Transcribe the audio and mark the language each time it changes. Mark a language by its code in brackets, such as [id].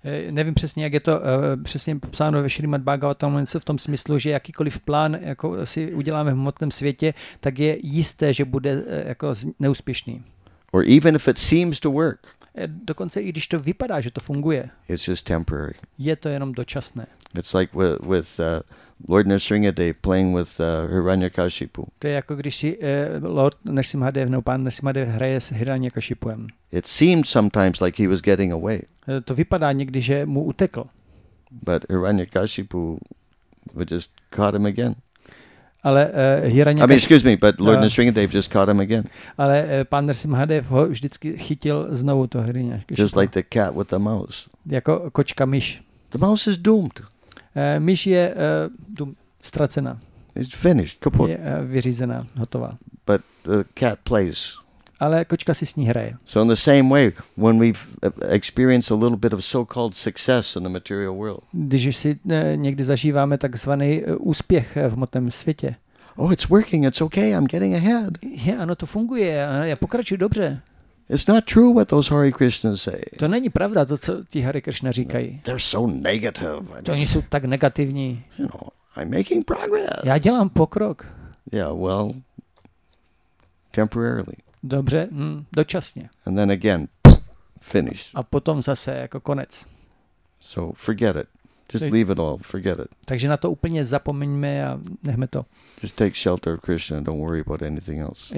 [cs] Nevím přesně, jak je to přesně popsáno ve Šrimad Bhagavatam, něco v tom smyslu, že jakýkoliv plán jako si uděláme v hmotném světě, tak je jisté, že bude jako neúspěšný. [en] Or even if it seems to work. [cs] Dokonce i když to vypadá, že to funguje. [en] It's just temporary. [cs] Je to jenom dočasné. [en] It's like with Lord Nrsimhadev playing with Hiranyakashipu. [cs] To je jako když si Lord Nrsimhadev nebo pan Nrsimhadev hraje s Hiranyakashipuem. [en] It seemed sometimes like he was getting away. [cs] To vypadá někdy, že mu utekl. [en] But Hiranyakashipu just caught him again. [cs] Ale [en] Lord Nrsimhadev just caught him again. [cs] Ale pan Nrsimhadev ho vždycky chytil znovu to hryně. [en] Just like the cat with the mouse. [cs] Jako kočka myš. [en] The mouse is doomed. [cs] Myš je ztracena. [en] It's finished, kaput. [cs] Je vyřízená, hotová. [en] But the cat plays. [cs] Ale kočka si s ní hraje. [en] So in the same way, when we've experienced a little bit of so-called success in the material world. [cs] Když si někdy zažíváme takzvaný úspěch v hmotném světě. [en] Oh, it's working, it's okay, I'm getting ahead. [cs] Je, ano, to funguje, já pokračuji dobře. [en] It's not true what those Hare Krishna say. [cs] To není pravda, to, co ti Hare Krishna říkají. [en] They're so negative. [cs] To oni jsou tak negativní. [en] You know, I'm making progress. [cs] Já dělám pokrok. [en] Yeah, well, temporarily. [cs] Dobře, dočasně. [en] And then again, finish. [cs] A potom zase jako konec. [en] So forget it. Just leave it all. Forget it. [cs] Takže na to úplně zapomeňme a nechme to. [en] Just take shelter of Krishna and don't worry about anything else.